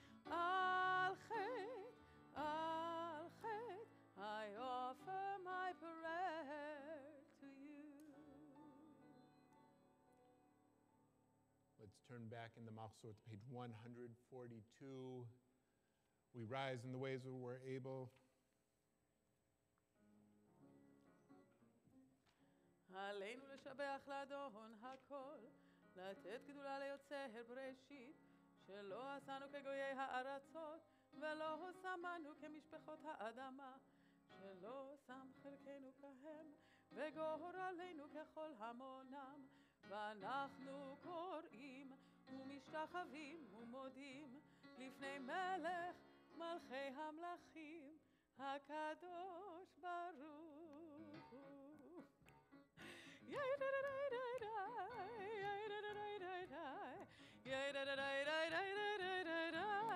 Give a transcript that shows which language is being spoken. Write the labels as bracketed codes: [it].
[he] Al chet, al chet, [en] I offer my prayer to you. Let's turn back in the Machzor to page 142. We rise in the ways that we're able. [he] עלינו לשבח לאדון הכל, לתת גדולה ליוצר בראשית, שלא עשנו כגויי הארצות, ולא הוסמנו כמשפחות האדמה, שלא שם חלקנו כהם, וגורלנו ככל המונם, ואנחנו קוראים ומשתחווים ומודים, לפני מלך מלכי המלכים, הקדוש ברוך הוא. Yay da da da da da yay da da da da da yay da da da da da da da da da